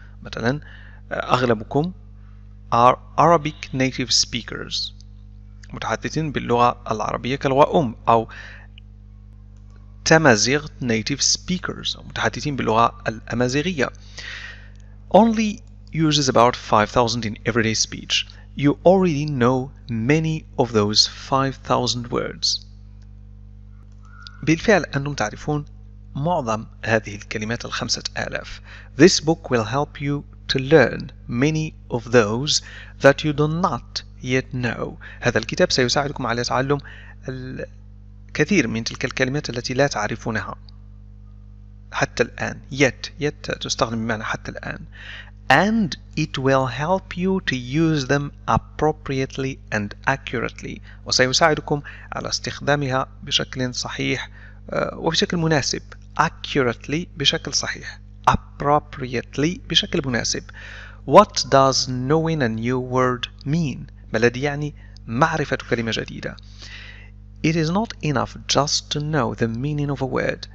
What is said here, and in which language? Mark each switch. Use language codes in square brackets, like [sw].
[ar] مثلا أغلبكم [en] are Arabic native speakers، [ar] متحدثين باللغة العربية كلغة أم، أو تمازيغ [en] native speakers، [ar] متحدثين باللغة الأمازيغية. [en] Only uses about 5,000 in everyday speech. You already know many of those 5,000 words. [ar] بالفعل أنتم تعرفون معظم هذه الكلمات الخمسة آلاف. [en] This book will help you to learn many of those that you do not yet know. [ar] هذا الكتاب سيساعدكم على تعلم الكثير من تلك الكلمات التي لا تعرفونها حتى الآن. Yet تستخدم بمعنى حتى الآن. [en] And it will help you to use them appropriately and accurately. [ar] وسيساعدكم على استخدامها بشكل صحيح وبشكل مناسب. Accurately بشكل صحيح. Appropriately بشكل مناسب. [en] What does knowing a new word mean? [ar] ما الذي يعني معرفة كلمة جديدة؟ [en] It is not enough just to know the meaning of a word.